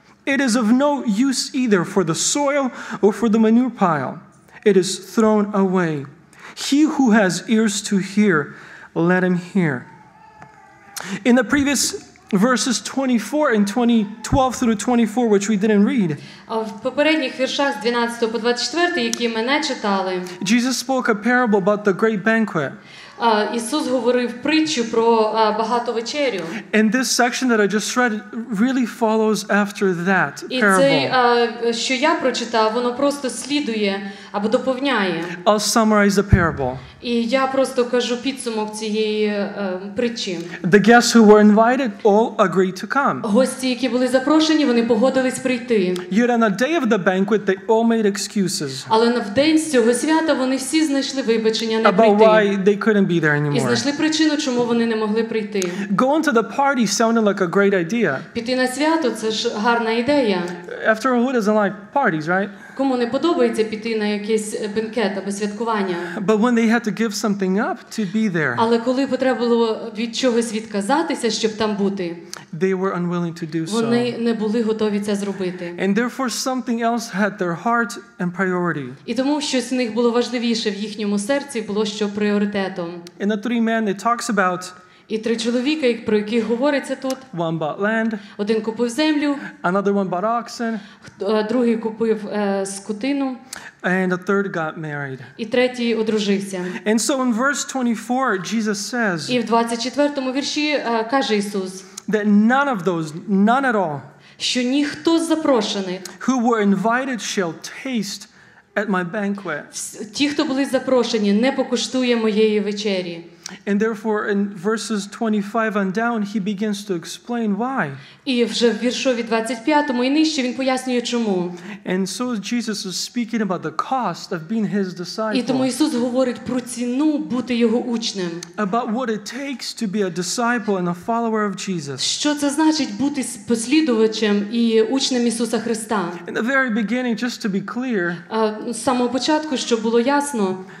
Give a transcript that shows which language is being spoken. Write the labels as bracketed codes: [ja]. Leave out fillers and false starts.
[en] It is of no use either for the soil or for the manure pile. It is thrown away. He who has ears to hear, let him hear. In the previous verses 24 and 12 through 24, which we didn't read. [uk] В попередніх віршах з 12 по 24, які ми не читали. [en] Jesus spoke a parable about the great banquet. [uk] Ісус говорив притчу про багату вечерю. [en] And this section that I just read really follows after that parable. [uk] І це, що я прочитав, воно просто слідує або доповнює. [en] I'll summarize the parable. [uk] І я просто кажу підсумок цієї притчі. [en] The guests who were invited all agreed to come. [uk] Гості, які були запрошені, вони погодились прийти. [en] Yet on the day of the banquet, they all made excuses. [uk] Але в день з цього свята вони всі знайшли вибачення не [en] about [uk] прийти. [en] About why they couldn't be there anymore. [uk] І знайшли причину, чому вони не могли прийти. [en] Going to the party sounded like a great idea. [uk] Піти на свято – це ж гарна ідея. [en] After all, who doesn't like parties, right? [uk] Кому не подобається піти на якийсь бенкет або святкування? [en] But when they had to give something up to be there. [uk] Але коли потрібно було від чогось відказатися, щоб там бути? [en] They were unwilling to do so. [uk] Вони не були готові це зробити. [en] And therefore something else had their heart and priority. [uk] І тому щось у них було важливіше в їхньому серці, було що пріоритетом. [en] And the three men it talks about. [uk] І три чоловіка, про яких говориться тут. [en] One bought land, [uk] один купив землю. [en] Another one bought oxen, [uk] другий купив скотину. [en] And a third got married. [uk] І третій одружився. [en] And so in verse 24, Jesus says, [uk] і в 24-му вірші каже Ісус, [en] that none of those, none at all, [uk] що ніхто з запрошених, [en] who were invited shall taste at my banquet. [uk] Ті, хто були запрошені, не покуштує моєї вечері. [en] And therefore, in verses 25 and down, he begins to explain why. [uk] І вже в віршові 25-му і нижче він пояснює чому. [en] And so Jesus is speaking about the cost of being his disciple. [uk] І тому Ісус говорить про ціну бути його учнем. [en] About what it takes to be a disciple and a follower of Jesus. [uk] Що це значить бути послідувачем і учнем Ісуса Христа? [en] In the very beginning, just to be clear, [uk] з самого початку, щоб було ясно,